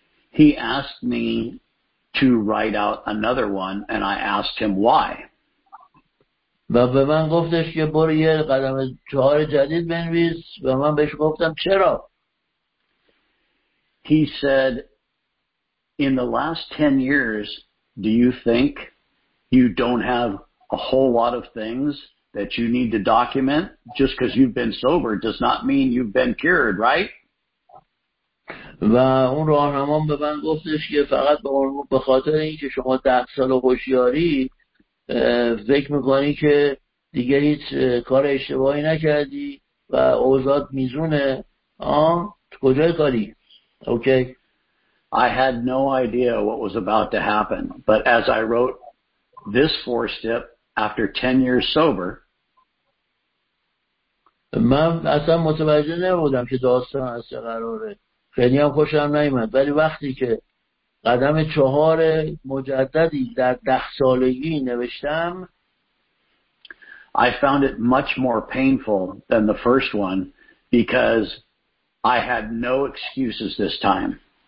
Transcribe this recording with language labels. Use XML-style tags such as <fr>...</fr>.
<en>He asked me to write out another one and I asked him why.</en> <fa>و به من گفتش که برو یه قدم چهار جدید بنویس و من بهش گفتم چرا.</fa> <en>He said, in the last 10 years, do you think you don't have a whole lot of things that you need to document? Just because you've been sober does not mean you've been cured, right?</en> <fa>و اون راهنما به من گفتش که فقط به خاطر اینکه شما 10 سال هوشیاری فکر می‌کنی که دیگه هیچ کار اشتباهی نکردی و اوضاعت میزونه کجای کاری؟ اوکی؟</fa> <en>I had no idea what was about to happen, but as I wrote this four step after 10 years sober,</en> <fa>من اصلا متوجه نبودم که داستان از چه قراره. خیلی هم خوشم نیومد ولی وقتی که قدم چهار مجددی در 10 سالگی نوشتم</fa> <en>I found it much more painful than the first one because I had no excuses this time.</en>